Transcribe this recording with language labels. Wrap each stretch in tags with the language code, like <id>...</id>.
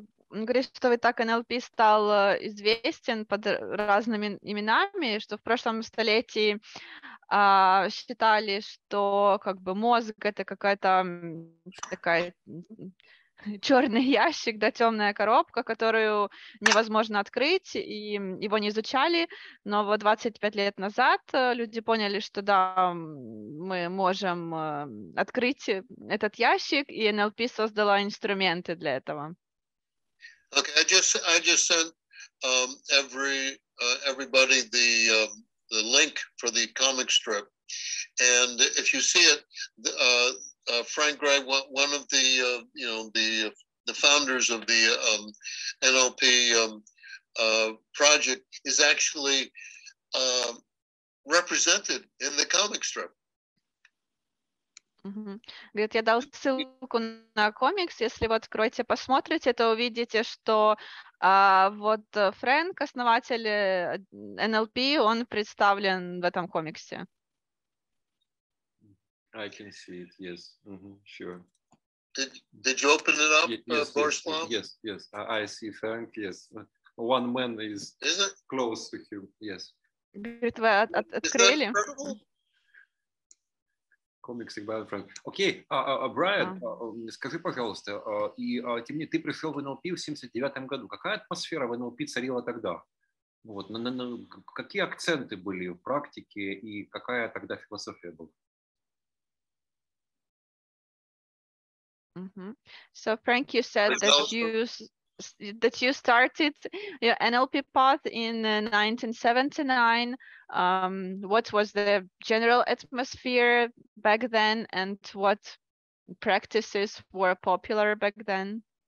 <ru>Он говорит, что вот так NLP стал известен под разными именами, что в прошлом столетии считали, что как бы мозг — это какая-то такая черный ящик, да, темная коробка, которую невозможно открыть, и его не изучали. Но вот 25 лет назад люди поняли, что да, мы можем открыть этот ящик, и NLP создала инструменты для этого.</ru> <en>Okay, I just sent everybody the link for the comic strip, and if you see it, Frank Gray, one of the the founders of the NLP project, is actually represented in the comic strip.</en> <ru>Говорит, я дал ссылку на комикс, если вы откроете, посмотрите, то увидите, что вот Фрэнк, основатель NLP, он представлен в этом комиксе.</ru> <en>I can see it, yes, sure. Did you open it up, Borislav? Yes, I see Frank, yes. One man is it close to him, yes.</en> <ru>Говорит, вы открыли? Комикс Брайан Фрэнк. Окей, Брайан, скажи, пожалуйста, и тем не менее, ты пришел в НЛП в 79-м году. Какая атмосфера в НЛП царила тогда? Вот, какие акценты были в практике и какая тогда философия была?</ru> <en>So, Frank, you said that you started your NLP path in 1979. What was the general atmosphere back then, and what practices were popular back then?</en>